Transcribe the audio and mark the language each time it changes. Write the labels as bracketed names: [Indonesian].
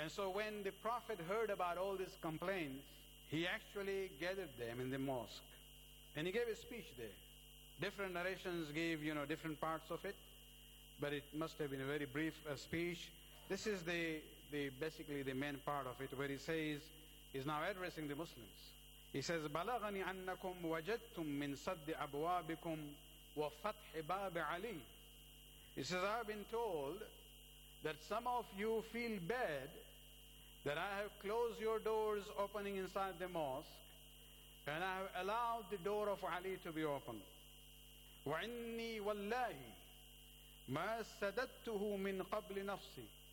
[English] And so when the Prophet heard about all these complaints, he actually gathered them in the mosque. And he gave a speech there. Different narrations give, you know, different parts of it, but it must have been a very brief speech. This is the basically the main part of it, where he says, he's now addressing the Muslims. He says, [Arabic] بَلَغَنِي أَنَّكُمْ وَجَدْتُمْ مِنْ صَدِّ أَبْوَابِكُمْ وَفَتْحِ بَابِ عَلِي. [English] He says, I've been told that some of you feel bad that I have closed your doors opening inside the mosque, and I have allowed the door of Ali to be opened. [Arabic] وَإِنِّي وَاللَّهِ مَا سَدَدْتُهُ مِنْ قَبْلِ نَفْسِي.